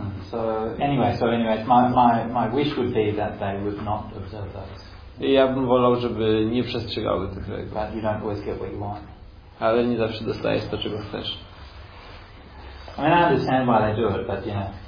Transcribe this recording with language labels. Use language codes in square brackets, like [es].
[en] So anyway, my wish would be that they would not observe those. [pl] Ja bym wolał, żeby nie przestrzegały tych reguł. [en] But you don't always get what you want. [pl] Ale nie zawsze dostajesz to, czego chcesz. [en] I mean, I understand why they do it, but yeah.